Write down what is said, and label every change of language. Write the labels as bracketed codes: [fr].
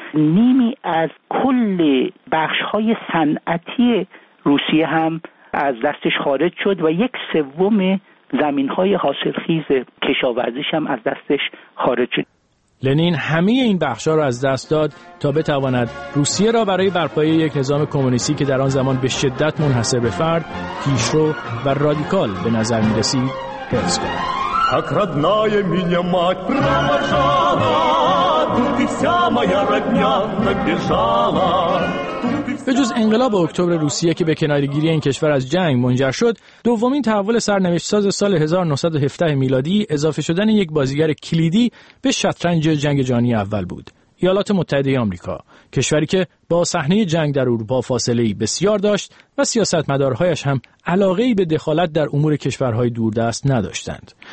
[fa] نیمی از کل بخش‌های صنعتی روسیه هم از دستش خارج شد و 1/3 زمین‌های حاصلخیز کشاورزیش هم از دستش خارج شد. لنین همه این بخش‌ها را از دست داد تا بتواند روسیه را برای برپایی یک نظام کمونیستی که در آن زمان به شدت منحصر به فرد، پیشرو و رادیکال به نظر می‌رسید، حفظ کند. [ru] Как родная меня мать провожала, тут и вся моя родня набежала. [fa] به جز انقلاب اکتبر روسیه که به کنارگیری این کشور از جنگ منجر شد، دومین تحول سرنوشت‌ساز سال 1917 میلادی اضافه شدن یک بازیگر کلیدی به شطرنج جنگ جهانی اول بود. ایالات متحده آمریکا، کشوری که با صحنه جنگ در اروپا فاصله‌ای بسیار داشت و سیاستمدارهایش هم علاقه‌ای به دخالت در امور کشورهای دوردست نداشتند.